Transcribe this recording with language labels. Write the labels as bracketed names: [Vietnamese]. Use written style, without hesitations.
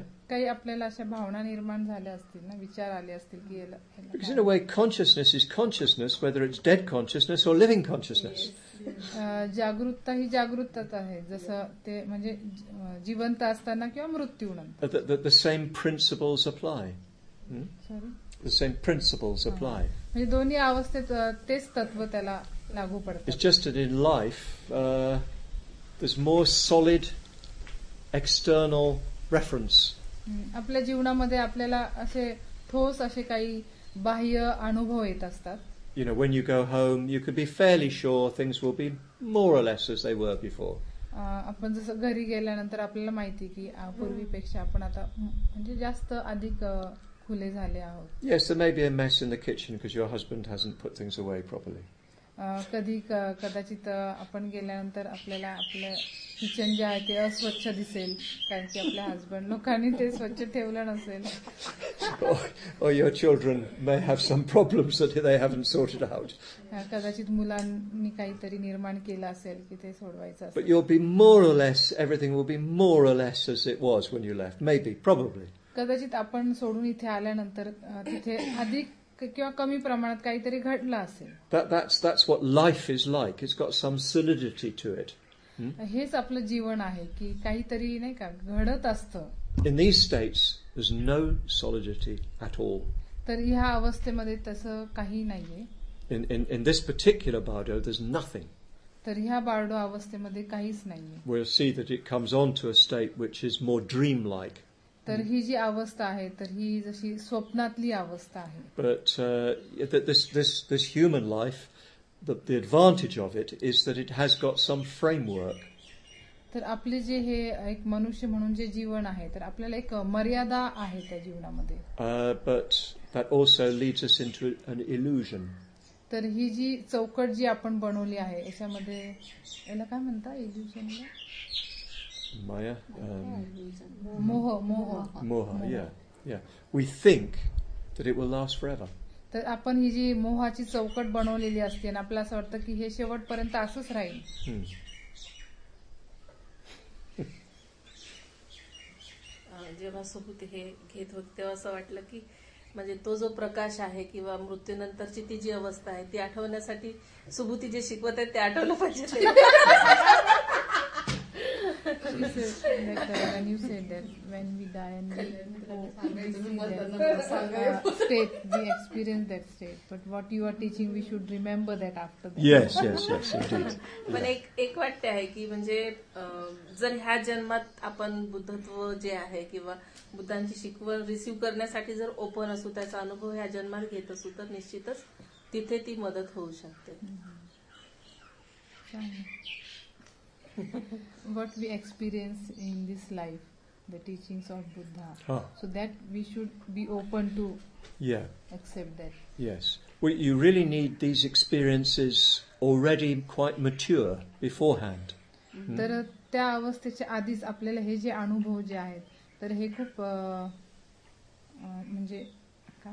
[Marathi] काही आपल्याला अशा भावना निर्माण झाल्या असतील ना, विचार आले असतील की [English] Because in a way consciousness is consciousness whether it's dead consciousness or living consciousness. [Marathi] जागृतता ही जागृतताच आहे, जसं ते म्हणजे जिवंत असताना किंवा मृत्यूनंतर. [English] the same principles apply, the same principles apply, [Marathi] म्हणजे दोन्ही अवस्थेत तेच तत्व त्याला लागू पडतं. [English] It's just in life this more solid external reference. [Marathi] आपल्या जीवनामध्ये आपल्याला असे ठोस असे काही बाह्य अनुभव येत असतात. [English] You know, when you go home you could be fairly sure things will be more or less as they were before. [Marathi] आपण जसं घरी गेल्यानंतर आपल्याला माहिती की पूर्वीपेक्षा आपण आता म्हणजे जास्त अधिक खुले झाले आहोत. [English] Yes, there may be a mess in the kitchen because your husband hasn't put things away properly. [Marathi] कधी कदाचित आपण गेल्यानंतर आपल्याला आपलं किचन जे आहे ते अस्वच्छ दिसेल, कारण की आपल्या हसबंड लोकांनी ते स्वच्छ ठेवलं नसेल. [English] or your children may have some problems that they haven't sorted out. But you'll be more or less, everything will be more or less as it was when you left. Maybe, probably. That's what life is like. It's got some solidity to it. [Marathi] हेच आपलं जीवन आहे की काहीतरी नाही का घडत असतं. [English] In these states there's no solidity at all. [Marathi] तर ह्या अवस्थेमध्ये तसं काही नाहीये. [English] In this particular bardo there's nothing. [Marathi] तर ह्या बार्डो अवस्थेमध्ये काहीच नाहीये. [English] We'll see that it comes on to a state which is more dreamlike. [Marathi] तर ही जी अवस्था आहे तर ही जशी स्वप्नातली अवस्था आहे. [English] But this human life, the advantage of it is that it has got some framework. [Marathi] तर आपले जे हे एक मनुष्य म्हणून जे जीवन आहे तर आपल्याला एक मर्यादा आहे त्या जीवनामध्ये. [English] But that also leads us into an illusion. [Marathi] तर ही जी चौकट जी आपण बनवली आहे याच्यामध्ये याला काय म्हणता इल्यूजन ला माया मोह मोह मोह या [English] We think that it will last forever. [Marathi] तर आपण ही जी मोहाची चौकट बनवलेली असते आणि आपल्याला असं वाटतं की हे शेवटपर्यंत असंच राहील. जेव्हा सुभूत हे घेत होते तेव्हा असं वाटलं की म्हणजे तो जो प्रकाश आहे किंवा मृत्यूनंतरची ती जी अवस्था आहे ती आठवण्यासाठी सुभूती जे शिकवत आहे ते आठवलं पाहिजे. एक वाटते आहे की म्हणजे जर ह्या जन्मात आपण बुद्धत्व जे आहे किंवा बुद्धांची शिकवण रिसीव्ह करण्यासाठी जर ओपन असू त्याचा अनुभव ह्या जन्मात घेत असू तर निश्चितच तिथे ती मदत होऊ शकते. [English] What we experience in this life, the teachings of Buddha, so that we should be open to accept that. Yes. Well, you really need these experiences already quite mature beforehand. [Marathi] तर त्या अवस्थेच्या आधीच आपल्याला हे जे अनुभव जे आहेत तर हे खूप म्हणजे काय